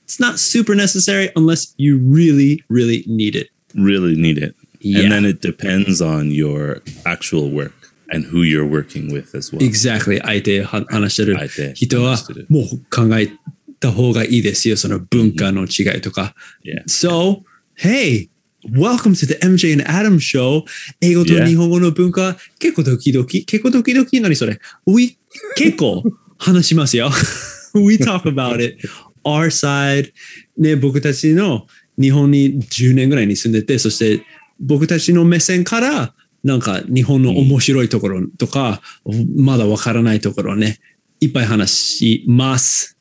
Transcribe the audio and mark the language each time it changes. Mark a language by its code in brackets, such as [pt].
[en] It's not super necessary unless you really, really need it. Really need it. Yeah. And then it depends on your actual work and who you're working with as well. Exactly. [ja] 相手話してる人はもう考えた方がいいですよ。その文化の違いとか。 [en] Yeah. So,Hey, welcome to the MJ and Adam show. [ja] 英語と日本語の文化、yeah. 結構ドキドキ、結構ドキドキ、何それ？ We 結構話しますよ。 [en] we talk about it. [ja] Our side, ね、僕たちの日本に10年ぐらいに住んでて、そして僕たちの目線からなんか日本の面白いところとか、うん、まだわからないところね、いっぱい話します。